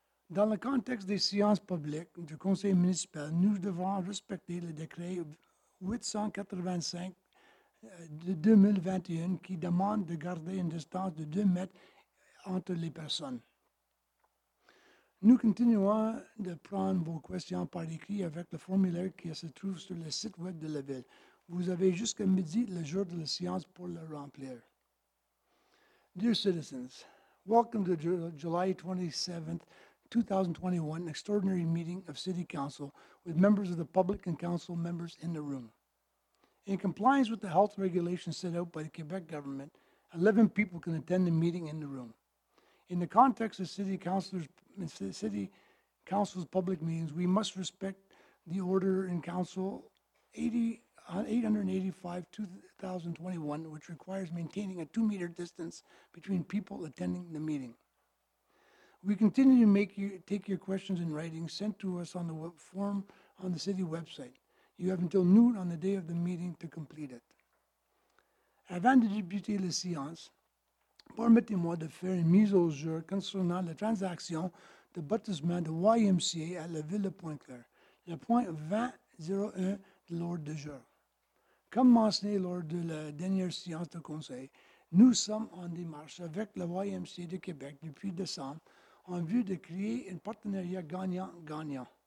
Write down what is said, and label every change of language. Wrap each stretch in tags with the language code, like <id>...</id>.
<fr>Dans le contexte des séances publiques du Conseil municipal, nous devons respecter le décret 885 de 2021 qui demande de garder une distance de 2 mètres entre les personnes. Nous continuons de prendre vos questions par écrit avec le formulaire qui se trouve sur le site web de la ville. Vous avez jusqu'à midi le jour de la séance pour le remplir.</fr> <en>Dear citizens, welcome to July 27, 2021, extraordinary meeting of City Council with members of the public and council members in the room. In compliance with the health regulations set out by the Quebec government, 11 people can attend the meeting in the room. In the context of City Council's public meetings, we must respect the order in Council 885-2021, which requires maintaining a 2-meter distance between people attending the meeting. We continue to take your questions in writing sent to us on the web form on the city website. You have until noon on the day of the meeting to complete it.</en> <fr>Avant de débuter la séance, permettez-moi de faire une mise au jour concernant la transaction de baptisement de YMCA à la ville de Pointe-Claire, le point 2001 de l'ordre du jour. Comme mentionné lors de la dernière séance de conseil, nous sommes en démarche avec le YMCA de Québec depuis décembre en vue de créer un partenariat gagnant-gagnant.</fr>